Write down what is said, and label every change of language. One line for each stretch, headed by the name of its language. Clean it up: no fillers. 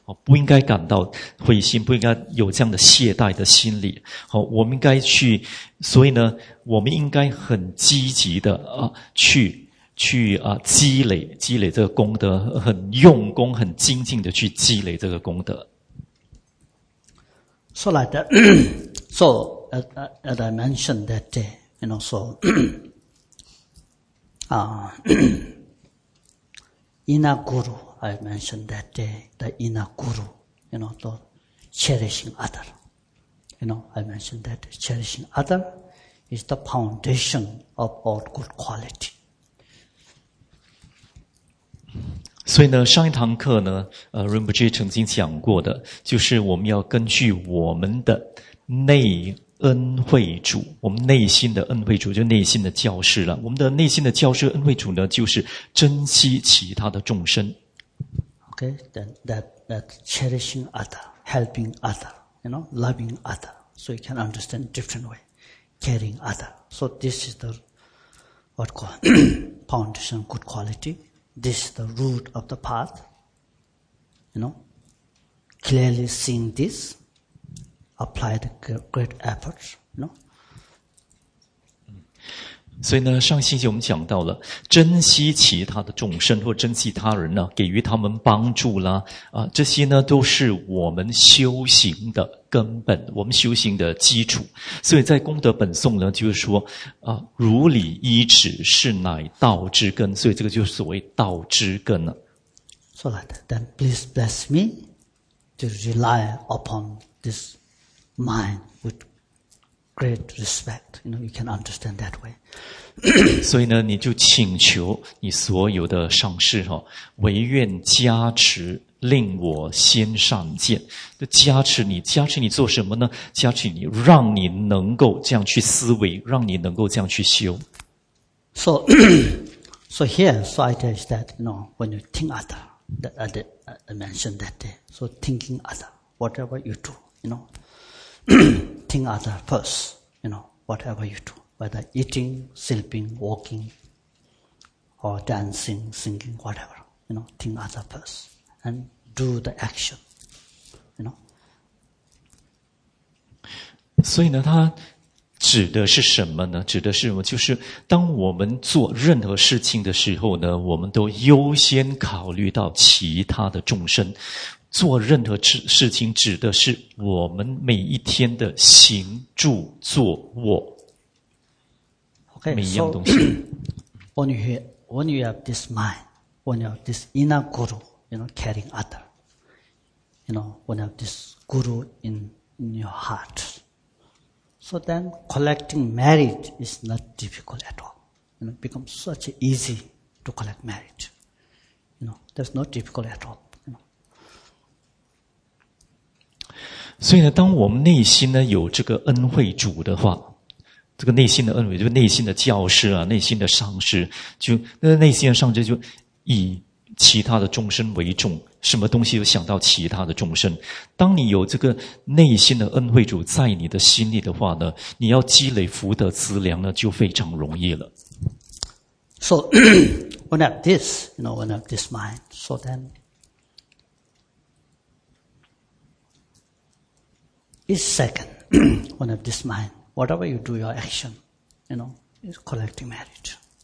Chinese: 不应该感到灰心，不应该有这样的懈怠的心理。好，我们应该去，所以呢，我们应该很积极的啊，去积累这个功德，很用功、很精进的去积累这个功德。
English: So like that, so as I mentioned that day, you know, so, inner guru, I mentioned that day, the inner guru, you know, the cherishing other. You know, I mentioned that cherishing other is the foundation of all good quality.
Chinese: 所以呢，上一堂课呢，Rinpoche 曾经讲过的，就是我们要根据我们的内恩惠主，我们内心的恩惠主，就内心的教师了。我们的内心的教师恩惠主呢，就是珍惜其他的众生。
English: Okay, then that cherishing other, helping other, you know, loving other, so you can understand different way, caring other. So this is the what called foundation, good quality. This is the root of the path. You know, clearly seeing this, apply the great efforts, you know.
Chinese: 所以呢，上星期我们讲到了珍惜其他的众生或珍惜他人呢，给予他们帮助啦，这些呢都是我们修行的根本，我们修行的基础。所以在功德本颂呢，就是说如理依止是乃道之根，所以这个就是所谓道之根了。
English: So like that, then please bless me to rely upon this mind with great respect. You know, you can understand that way.
Chinese: 所以呢，你就请求你所有的上师哈，唯愿加持。令我先上见，加持你，加持你做什么呢？加持你，让你能够这样去思维，让你能够这样去修。
English: So here, so I tell you that, you know, when you think other, that I mentioned that day, so thinking other, whatever you do, you know, think other first, you know, whatever you do, whether eating, sleeping, walking, or dancing, singing, whatever, you know, think other first. And do the action, you know.
Chinese: 所以呢，它指的是什么呢？指的是什么？就是当我们做任何事情的时候呢，我们都优先考虑到其他的众生。做任何事情，指的是我们每一天的行住坐卧。
English: Okay,
Chinese: 每一样东西。
English: When you have this mind, when you have this inner guru. You know, caring other. You know, when you have this guru in your heart. So then collecting merit is not difficult at all. You know, it becomes such easy to collect merit. You know, that's not difficult at all. You know.
Chinese: 所以呢，当我们内心呢有这个恩惠主的话，这个内心的恩惠，就是内心的教师啊，内心的上师，就那内心的上师就以其他的众生为重，什么东西都想到其他的众生。当你有这个内心的恩惠主在你的心里的话呢，你要积累福德资粮呢，就非常容易了。
English: So when I have this, you know, when I have this mind, so then each second when I have this mind, whatever you do, your action, you know, is collecting merit.